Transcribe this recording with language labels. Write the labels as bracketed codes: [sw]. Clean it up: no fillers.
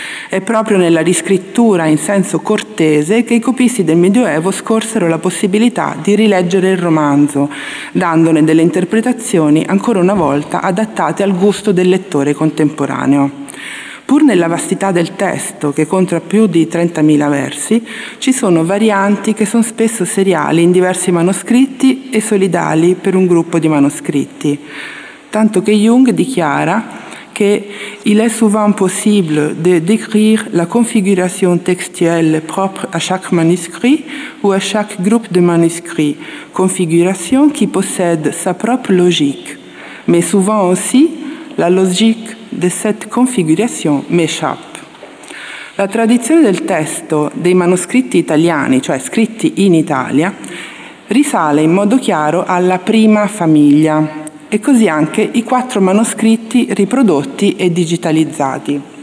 [it] È proprio nella riscrittura in senso cortese che i copisti del Medioevo scorsero la possibilità di rileggere il romanzo, dandone delle interpretazioni ancora una volta adattate al gusto del lettore contemporaneo. Pur nella vastità del testo, che conta più di 30.000 versi, ci sono varianti che sono spesso seriali in diversi manoscritti e solidali per un gruppo di manoscritti. Tanto che Jung dichiara che [fr] «il est souvent possible de décrire la configuration textuelle propre à chaque manuscrit ou à chaque groupe de manuscrits, configuration qui possède sa propre logique, mais souvent aussi la logique de cette configuration m'échappe». [it] La tradizione del testo dei manoscritti italiani, cioè scritti in Italia, risale in modo chiaro alla prima famiglia e così anche i quattro manoscritti riprodotti e digitalizzati.